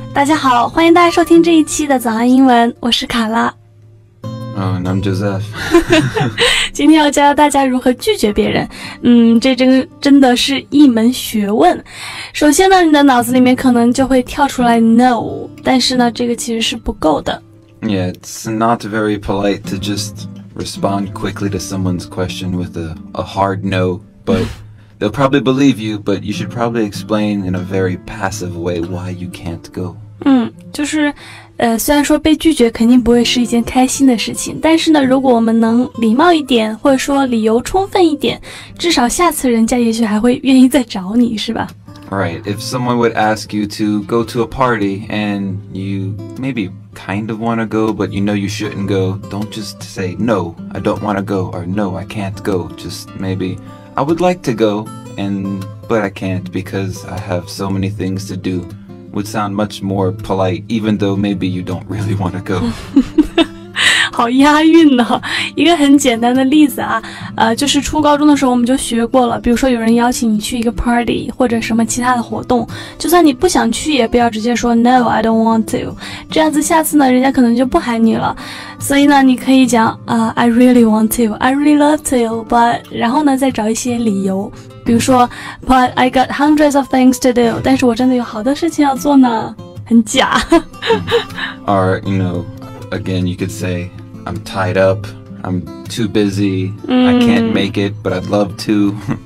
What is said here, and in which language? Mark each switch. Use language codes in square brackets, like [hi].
[zh] 大家好，欢迎大家收听这一期的早安英文，我是卡拉。 [en] And I'm Joseph. [zh] 今天要教大家如何拒绝别人，这真的是一门学问。首先呢，你的脑子里面可能就会跳出来 no， 但是呢，这个其实是不够的。 [en] Yeah, it's not very polite to just respond quickly to someone's question with a hard no, but they'll probably believe you, but you should probably explain in a very passive way why you can't go. [zh] 就是虽然说被拒绝肯定不会是一件开心的事情，但是呢，如果我们能礼貌一点，或者说理由充分一点，至少下次人家也许还会愿意再找你，是吧？ [en] Right, if someone would ask you to go to a party and you maybe kind of want to go, but you know you shouldn't go, don't just say, no, I don't want to go, or no, I can't go, just maybe, I would like to go, but I can't because I have so many things to do. Would sound much more polite, even though maybe you don't really want to go. [zh] 好押韵呢、哦、一个很简单的例子啊，就是初高中的时候我们就学过了，比如说有人邀请你去一个 party 或者什么其他的活动，就算你不想去也不要直接说 [en] No, I don't want to. [zh] 这样子下次呢人家可能就不喊你了。所以呢你可以讲 [en] I really want to, I really love to, but [zh] 然后呢再找一些理由，比如说 [en] But I got hundreds of things to do, [zh] 但是我真的有好多事情要做呢，很假。 [en] Or, you know, again, you could say I'm tied up, I'm too busy, I can't make it, but I'd love to.